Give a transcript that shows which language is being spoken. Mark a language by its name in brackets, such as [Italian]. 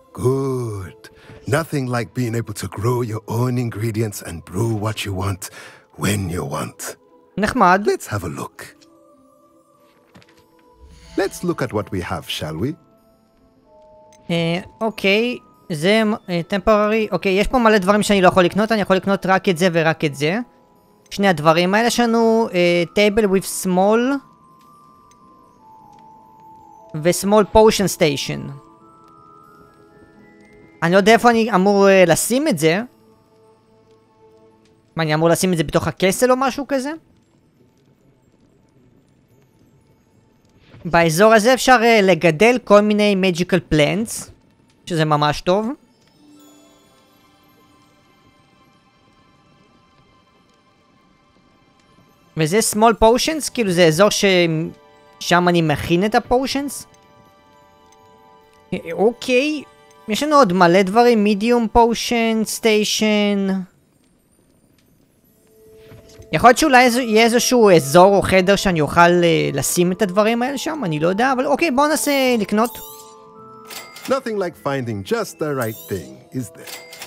[English] Good. Nothing like being able to grow your own ingredients and brew what you want, when you want. Nahmad. Let's have a look. Let's look at what we have, shall we? Okay, [Hebrew] זה [English] temporary. [Hebrew] Okay, יש פה מלא דברים שאני לא יכול לקנות, אני יכול לקנות רק את זה ורק את זה. שני הדברים האלה שלנו, [English] table with small [Hebrew] ו- [English] small potion station. [Hebrew] אני לא יודע איפה אני אמור לשים את זה. מה, אני אמור לשים את זה בתוך הכסל או משהו כזה? באזור הזה אפשר לגדל כל מיני [English] magical plants, [Hebrew] שזה ממש טוב. וזה small potions, כאילו זה אזור ששם אני מכין את הפוטשנס. אוקיי, יש לנו עוד מלא דברים, [English] medium potion, station. [Hebrew] יכול להיות שאולי יהיה איזשהו אזור או חדר שאני אוכל לשים את הדברים האלה שם, אני לא יודע, אבל אוקיי, בואו נעשה לקנות. [English] Nothing like finding just the right thing, is there?